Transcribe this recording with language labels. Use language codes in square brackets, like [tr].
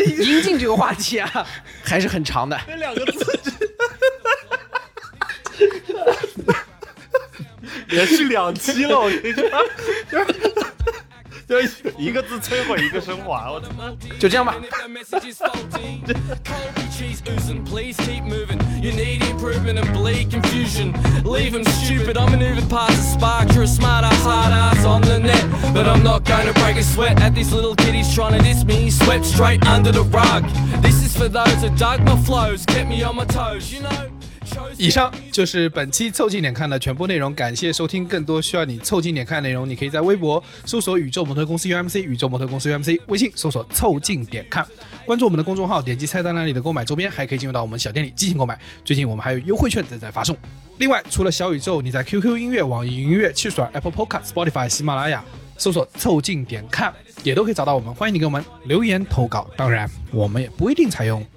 [zh] 阴茎这个话题啊，还是很长的。那两个字，连续两期了，我跟你说。就一个字摧毁一个升华，我的妈，就这样吧。 [en] Cheese oozing, please keep moving. You need improvement and bleak confusion. Leave them stupid, I'm maneuvering past the spark. You're a smart ass, hard ass on the net. But I'm not gonna break a sweat at these little kiddies trying to diss me. Swept straight under the rug. This is for those who dug my flows, kept me on my toes, you know. [zh] 以上就是本期凑近点看的全部内容，感谢收听。更多需要你凑近点看的内容，你可以在微博搜索宇宙模特公司 UMC， 宇宙模特公司 UMC， 微信搜索凑近点看，关注我们的公众号，点击菜单那里的购买周边，还可以进入到我们小店里进行购买。最近我们还有优惠券正在发送。另外除了小宇宙，你在 QQ 音乐、网易音乐、汽水、 Apple Podcast、 Spotify、 喜马拉雅搜索凑近点看也都可以找到我们，欢迎你给我们留言投稿，当然我们也不一定采用。